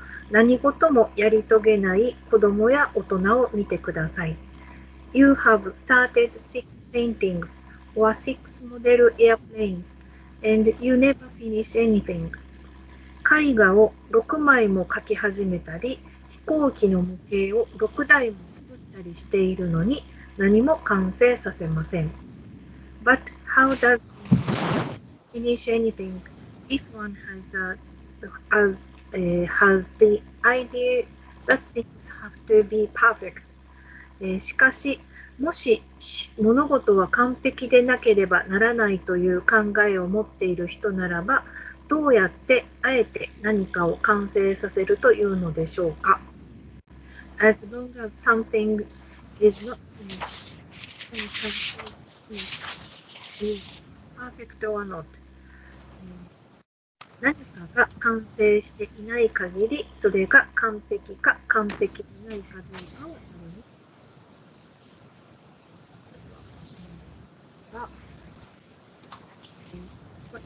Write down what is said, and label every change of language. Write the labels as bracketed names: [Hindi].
[Japanese] 何事もやり遂げない子供や大人を見てください。 [English] You have started 6 paintings or 6 model airplanes and you never finish anything. [Japanese] 絵画を6枚も描き始めたり、飛行機の模型を6台も作ったりしているのに何も完成させません。 [English] But how does one finish anything if one has the idea that things have to be perfect? [Japanese] しかし、もし物事は完璧でなければならないという考えを持っている人ならば、どうやってあえて何かを完成させるというのでしょうか。 [English] As long as something is not finished, one can finish. Perfect or not. [Japanese] 何かが完成していない限り、それが完璧か完璧でないかどうかを見る。